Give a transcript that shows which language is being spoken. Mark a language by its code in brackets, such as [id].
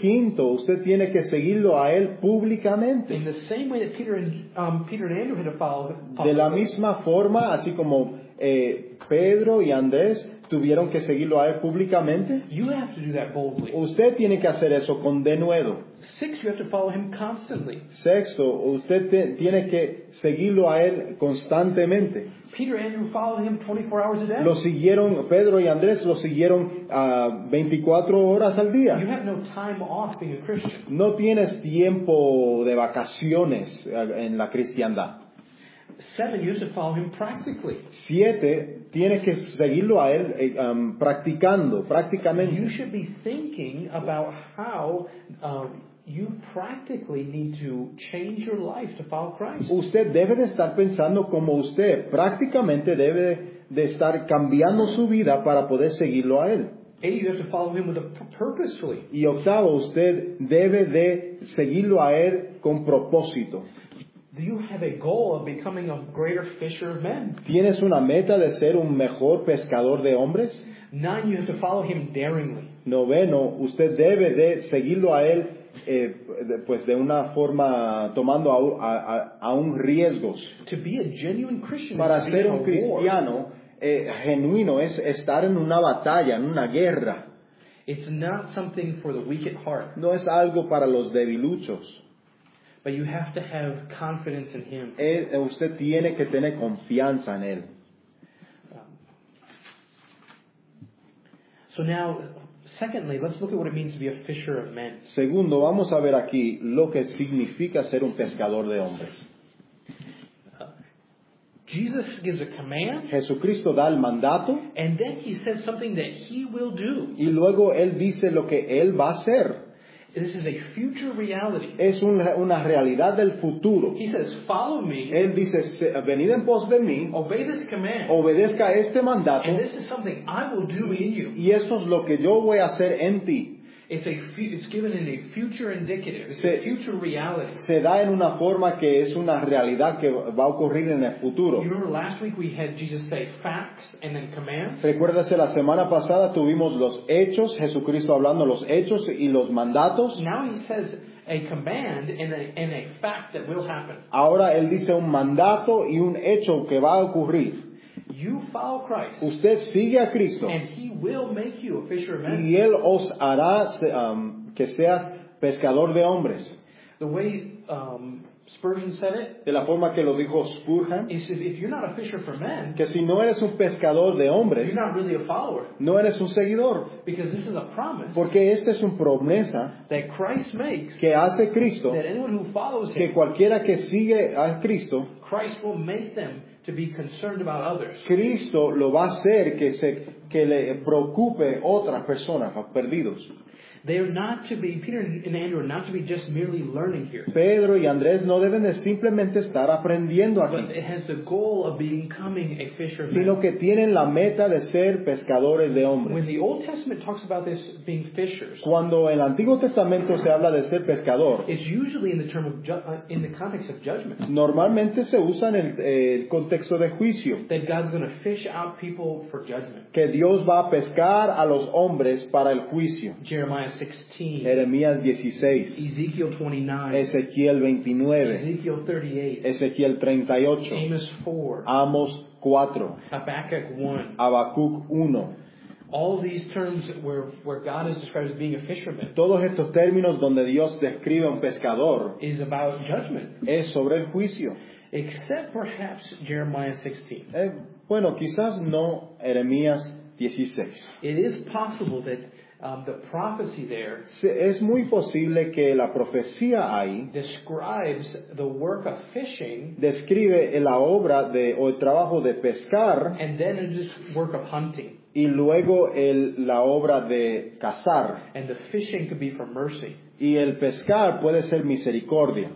[es] 5, usted tiene que seguirlo a él públicamente. [en] In the same way that Peter and Andrew had to follow him publicly. [es] De la misma forma, así como Pedro y Andrés tuvieron que seguirlo a él públicamente. [en] You have to do that boldly. [es] Usted tiene que hacer eso con denuedo. [en] 6, you have to follow him constantly. [es] 6, usted tiene que seguirlo a él constantemente. [en] Peter and Andrew followed him 24 hours a day. [es] Lo siguieron, Pedro y Andrés lo siguieron 24 horas al día. [en] You have no time off being a Christian. [es] No tienes tiempo de vacaciones en la cristiandad. [en] 7, you have to follow him practically. [es] 7, tienes que seguirlo a él practicando, prácticamente. [en] You should be thinking about how you practically need to change your life to follow Christ. [es] Usted debe de estar pensando como usted prácticamente debe de estar cambiando su vida para poder seguirlo a él. [en] Hey, you have to follow him with a purposefully. [es] Y octavo, usted debe de seguirlo a él con propósito. [en] Do you have a goal of becoming a greater fisher of men? [es] ¿Tienes una meta de ser un mejor pescador de hombres? [en] 9, you have to follow him daringly. [es] Noveno, usted debe de seguirlo a él pues de una forma tomando aún riesgos. [en] To be a genuine Christian, [es] para ser un cristiano genuino es estar en una batalla, en una guerra. [en] It's not something for the weak at heart. [es] No es algo para los debiluchos. [en] But you have to have confidence in him. [es] Usted tiene que tener confianza en él. [en] So now, secondly, let's look at what it means to be a fisher of men. [es] Segundo, vamos a ver aquí lo que significa ser un pescador de hombres. [en] Jesus gives a command. [es] Jesucristo da el mandato. [en] And then he says something that he will do. [es] Y luego él dice lo que él va a hacer. [en] This is a future reality. [es] Es una realidad del futuro. [en] He says, follow me. [es] Él dice, venid en pos de mí. [en] Obey this command. [es] Obedezca este mandato. [en] And this is something I will do in you. [es] Y esto es lo que yo voy a hacer en ti. [en] It's given in a future indicative. It's a future reality. [es] Se da en una forma que es una realidad que va a ocurrir en el futuro. [en] You remember last week we had Jesus say facts and then commands? [es] Recuérdese, la semana pasada tuvimos los hechos, Jesucristo hablando los hechos y los mandatos. [en] Now he says a command and a fact that will happen. [es] Ahora él dice un mandato y un hecho que va a ocurrir. [en] You follow Christ. [es] Usted sigue a Cristo. [en] And he will make you a fisher of men. [es] Y él os hará que seas pescador de hombres. [en] The way Spurgeon said it. [es] De la forma que lo dijo Spurgeon. [en] Is if you're not a fisher for men. [es] Que si no eres un pescador de hombres. [en] You're not really a follower. [es] No eres un seguidor. [en] Because this is a promise. [es] Porque esta es una promesa. [en] That Christ makes. [es] Que hace Cristo. [en] That anyone who follows him. [es] Que cualquiera que sigue a Cristo. [en] Christ will make them. To be concerned about others. [es] Cristo lo va a hacer que le preocupe otras personas, perdidos. [en] They are not to be, Peter and Andrew are not to be just merely learning here. [es] Pedro y Andrés no deben de simplemente estar aprendiendo aquí. [en] But it has the goal of becoming a fisherman. [es] Sino que tienen la meta de ser pescadores de hombres. [en] When the Old Testament talks about this being fishers. [es] Cuando el Antiguo Testamento se habla de ser pescador. [en] It's usually in the term of in the context of judgment. [es] Normalmente se usa en el contexto de juicio. [en] That God's going to fish out people for judgment. [es] Que Dios va a pescar a los hombres para el juicio. Jeremías 16, Ezequiel 29, Ezequiel 29, Ezequiel 38, Ezequiel 38, Amos 4, Amos 4, Habacuc 1, Habacuc 1. [en] All these terms where God is described as being a fisherman. [es] Todos estos términos donde Dios describe a un pescador [en] is about judgment. [es] Es sobre el juicio. [en] Except perhaps Jeremiah 16. [es] Bueno, quizás no Jeremías 16. [en] It is possible that the prophecy there [es] es muy posible que la profecía ahí [en] describes the work of fishing, [es] describe la obra de o el trabajo de pescar, [en] and then this work of hunting, [es] y luego la obra de cazar, [en] and the fishing could be for mercy, [es] y el pescar puede ser misericordia,